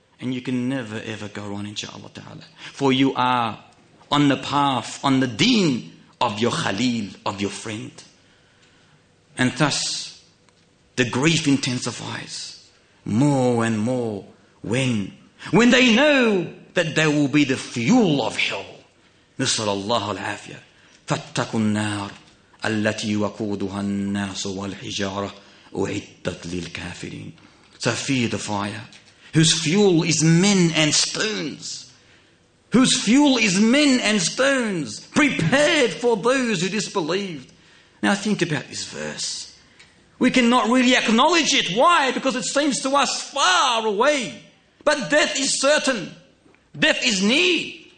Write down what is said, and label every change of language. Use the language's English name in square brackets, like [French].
[English] And you can never ever go wrong, inshaAllah Ta'ala. For you are on the path, on the deen of your Khalil, of your friend. And thus, the grief intensifies more and more when they know that they will be the fuel of hell. [Arabic] نسأل الله العافية. فاتقوا النار التي وقودها الناس والحجارة أعدت للكافرين. [English] So fear the fire whose fuel is men and stones. Whose fuel is men and stones prepared for those who disbelieved. Now think about this verse. We cannot really acknowledge it. Why? Because it seems to us far away. But death is certain. Death is near.